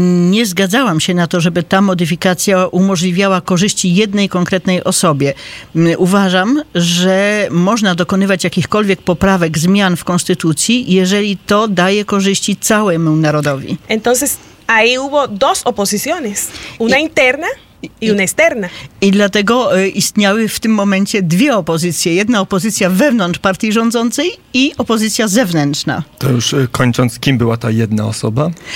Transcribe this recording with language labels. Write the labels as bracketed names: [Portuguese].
[Polish] Nie zgadzałam się na to, żeby ta modyfikacja umożliwiała korzyści jednej konkretnej osobie. Uważam, że można dokonywać jakichkolwiek poprawek, zmian w konstytucji, jeżeli to daje korzyści całemu narodowi. [Spanish] Entonces, ahí hubo dos oposiciones, una interna y una externa. [Polish] I dlatego istniały w tym momencie dwie opozycje. Jedna opozycja wewnątrz partii rządzącej i opozycja zewnętrzna. To już kończąc, kim była ta jedna osoba?